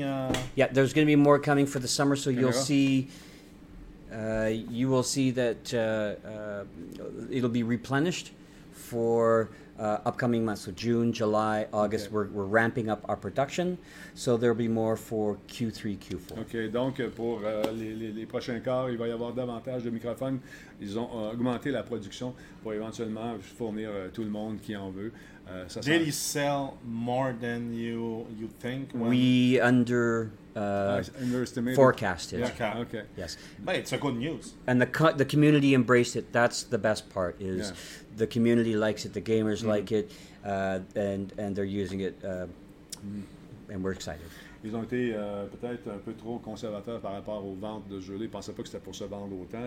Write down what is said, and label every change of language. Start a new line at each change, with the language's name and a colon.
English: Yeah, there's going to be more coming for the summer, so you'll see. You will see that it'll be replenished for upcoming months, so June, July, August. Okay. We're ramping up our production, so there'll be more for Q3, Q4.
French: Okay, donc pour les prochains quarts, il va y avoir davantage de microphones. Ils ont augmenté la production pour éventuellement fournir tout le monde qui en veut.
English: Did you sell more than you think? We under... forecasted. Yeah. Okay. Yes. But it's a good news. And the community embraced it. That's the best part. Is the community likes it. The gamers like it, and they're using it, and we're excited.
French: Ils ont été peut-être un peu trop conservateurs par rapport aux ventes de jeux. Ils ne pensaient pas que c'était pour se vendre autant.